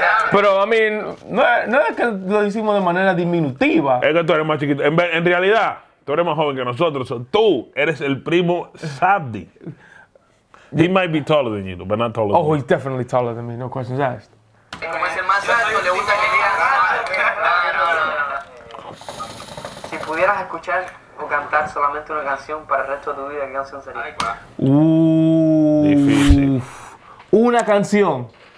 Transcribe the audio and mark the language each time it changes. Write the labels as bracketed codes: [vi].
[es] Pero, a mí, no es que lo hicimos de manera diminutiva. Es que tú eres más chiquito. En realidad, tú eres más joven que nosotros. Tú eres el primo Sabdi. [en] He might be taller than you, but not taller than me. Oh, he's definitely taller than me. No questions asked. [es] Como es el más alto, le gusta que digas. No. Si pudieras escuchar o cantar solamente una canción para el resto de tu vida, ¿qué canción sería? Difícil. Una canción.